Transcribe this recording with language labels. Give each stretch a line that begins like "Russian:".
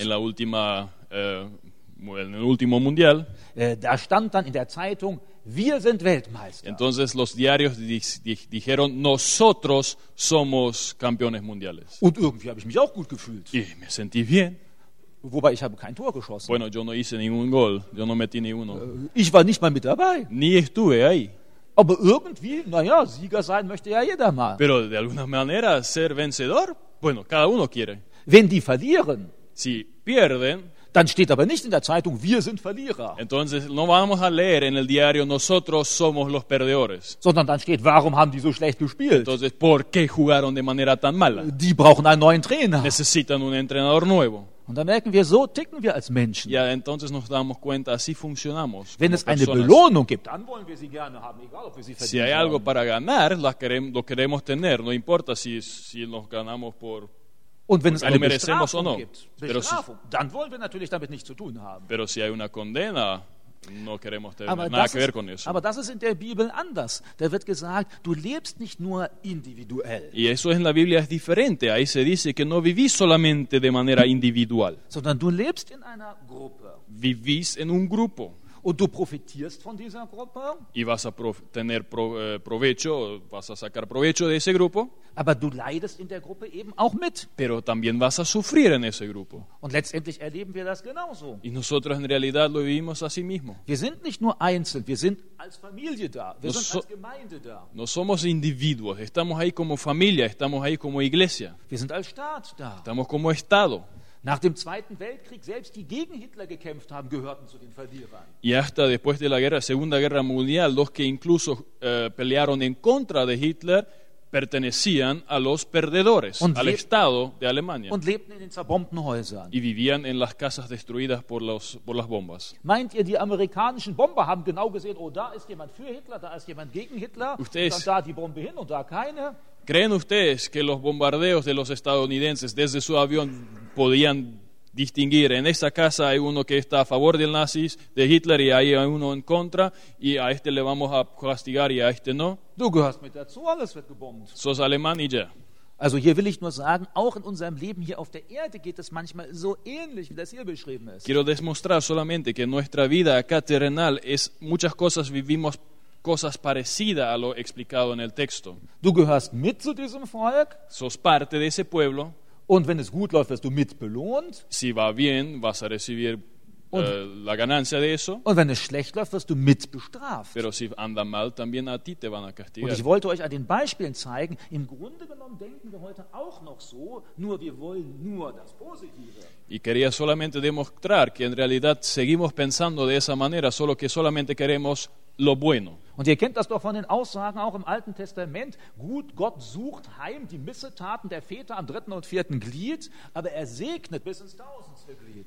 Spanish: en la última, en el último mundial,
German: da stand dann in der Zeitung, wir sind Weltmeister.
Spanish: Entonces los diarios dijeron, nosotros somos campeones mundiales.
German: Und irgendwie habe ich mich auch gut gefühlt.
Spanish: Y me sentí bien.
German: Wobei, ich habe kein Tor geschossen.
Spanish: Bueno, yo no hice ningún gol. Yo no metí ni uno.
German: Ich war nicht mal mit dabei.
Spanish: Ni estuve ahí.
German: Aber irgendwie, naja, Sieger sein möchte ja jeder mal.
Spanish: Pero de alguna manera, ser vencedor, bueno, cada uno quiere.
German: Wenn die verlieren,
Spanish: si pierden,
German: dann steht aber nicht in der Zeitung, wir sind Verlierer.
Spanish: Entonces no vamos a leer en el diario, nosotros somos los perdedores.
German: Sondern dann steht, warum haben die so schlecht gespielt?
Spanish: Entonces, ¿por qué jugaron de manera tan mala?
German: Die brauchen einen neuen Trainer.
Spanish: Necesitan un entrenador nuevo.
German: Und dann merken wir, so ticken wir als Menschen.
Spanish: Ja, entonces nos damos cuenta, así funcionamos.
German: Wenn es eine Belohnung gibt, dann wollen wir sie gerne haben, egal ob wir sie verdienen.
Spanish: Si hay algo para ganar, lo queremos tener. No importa si, si nos ganamos por...
German: Und wenn es eine Bestrafung gibt, Bestrafung, dann wollen wir natürlich damit nichts zu tun haben.
Spanish: Pero si hay una condena, no queremos tener nada que ver con eso.
German: Aber das ist in der Bibel anders. Da wird gesagt, du lebst nicht nur individuell.
Spanish: Y eso en la Biblia es diferente. Ahí se dice que no vivís solamente de manera individual.
German: Sondern du lebst in einer Gruppe.
Spanish: Vivís en un grupo.
German: Und du profitierst von dieser Gruppe.
Spanish: Y vas a tener provecho, vas a sacar provecho de ese grupo.
German: Aber du leidest in der Gruppe eben auch mit.
Spanish: Pero también vas a sufrir en ese grupo.
German: Und letztendlich erleben wir das genauso.
Spanish: Y nosotros en realidad lo vivimos así mismo.
German: Wir sind nicht nur einzeln, wir sind als Familie da, wir sind als Gemeinde da.
Spanish: No somos individuos, estamos ahí como familia, estamos ahí como iglesia.
German: Wir sind als Staat da.
Spanish: Estamos como Estado.
German: Nach dem Zweiten Weltkrieg, selbst die gegen Hitler gekämpft haben, gehörten zu den Verlierern.
Spanish: Y hasta después de la guerra, Segunda Guerra Mundial, los que incluso pelearon en contra de Hitler, pertenecían a los perdedores, al Estado de Alemania.
German: Und lebten in den zerbombten Häusern.
Spanish: Y vivían en las casas destruidas por las bombas.
German: Meint ihr, die amerikanischen Bomber haben genau gesehen, oh, da ist jemand für Hitler, da ist jemand gegen Hitler,
Spanish: ustedes,
German: und dann da die Bombe hin und da keine?
Spanish: ¿Creen ustedes que los bombardeos de los estadounidenses desde su avión podían distinguir? En esta casa hay uno que está a favor del nazis, de Hitler, y ahí hay uno en contra, y a este le vamos a castigar y a este no.
German: Du gehörst mit dazu, alles wird gebombt.
Spanish: Sos alemán y ya.
German: Also hier will ich nur sagen, auch in unserem Leben hier auf der Erde geht es manchmal so ähnlich, wie das hier beschrieben ist.
Spanish: Quiero demostrar solamente que nuestra vida acá terrenal es muchas cosas vivimos cosas parecidas a lo explicado en el texto.
German: Du gehörst mit zu diesem Volk.
Spanish: Sos parte de ese pueblo.
German: Und wenn es gut läuft, wirst du mit belohnt.
Spanish: Si va bien, vas a recibir
German: und,
Spanish: la ganancia de eso.
German: Und wenn es schlecht läuft, wirst du mit bestraft.
Spanish: Pero si anda mal, también a ti te van a castigar.
German: Und ich wollte euch an den Beispielen zeigen, im Grunde genommen denken wir heute auch noch so, nur wir wollen nur das Positive.
Spanish: Y quería solamente demostrar que en realidad seguimos pensando de esa manera, solo que solamente queremos lo bueno.
German: Und ihr kennt das doch von den Aussagen auch im Alten Testament. Gut, Gott sucht heim die Missetaten der Väter am dritten und vierten Glied, aber er segnet bis ins tausendste Glied.